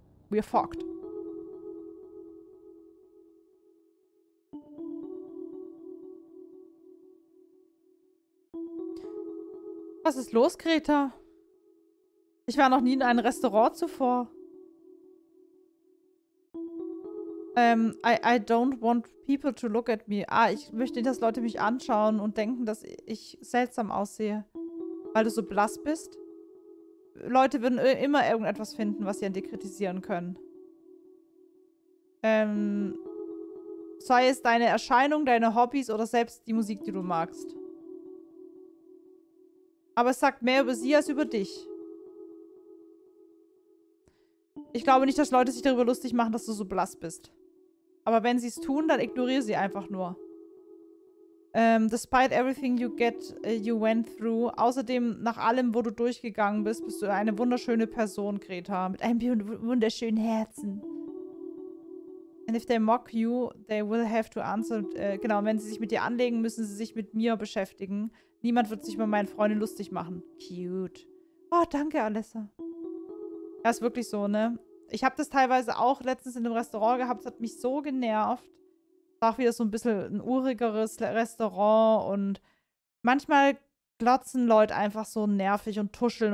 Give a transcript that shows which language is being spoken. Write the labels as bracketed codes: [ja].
[en] We're fucked. [de] Was ist los, Greta? Ich war noch nie in einem Restaurant zuvor. [en] I don't want people to look at me. [de] Ah, ich möchte nicht, dass Leute mich anschauen und denken, dass ich seltsam aussehe, weil du so blass bist. Leute würden immer irgendetwas finden, was sie an dir kritisieren können. Sei es deine Erscheinung, deine Hobbys oder selbst die Musik, die du magst. Aber es sagt mehr über sie als über dich. Ich glaube nicht, dass Leute sich darüber lustig machen, dass du so blass bist. Aber wenn sie es tun, dann ignoriere sie einfach nur. [en] Despite everything you went through, [de] außerdem nach allem, wo du durchgegangen bist, bist du eine wunderschöne Person, Greta. Mit einem wunderschönen Herzen. [en] And if they mock you, they will have to answer. [de] Genau, wenn sie sich mit dir anlegen, müssen sie sich mit mir beschäftigen. Niemand wird sich über meine Freundin lustig machen. Cute. Oh, danke, Alessa. Das ist wirklich so, ne? Ich habe das teilweise auch letztens in einem Restaurant gehabt. Das hat mich so genervt. Es war auch wieder so ein bisschen ein urigeres Restaurant. Und manchmal glotzen Leute einfach so nervig und tuscheln.